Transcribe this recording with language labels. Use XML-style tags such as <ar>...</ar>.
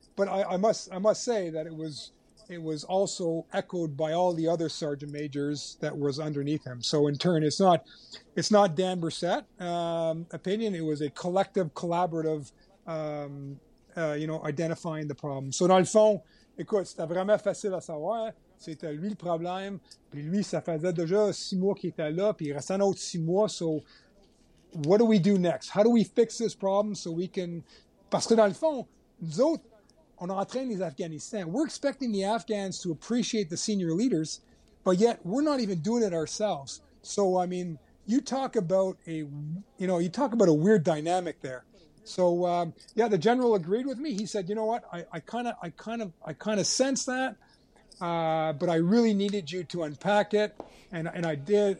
<en>But I must say that it was also echoed by all the other sergeant majors that was underneath him. So in turn, it's not Dan Brissett opinion. It was a collective, collaborative, identifying the problem.</en> <fr>So dans le fond, écoute, c'était vraiment facile à savoir. C'était lui le problème. Puis lui, ça faisait déjà 6 mois qu'il était là. Puis il restait un autre 6 mois.</fr> <en>So what do we do next? How do we fix this problem so we can...</en> <fr>Parce que dans le fond, nous autres, on entraîne les Afghanistan.</fr> <en>We're expecting the Afghans to appreciate the senior leaders, but yet we're not even doing it ourselves. So, I mean, you talk about a weird dynamic there. So, yeah, the general agreed with me. He said, you know what, I kind of sense that, but I really needed you to unpack it, and I did.</en>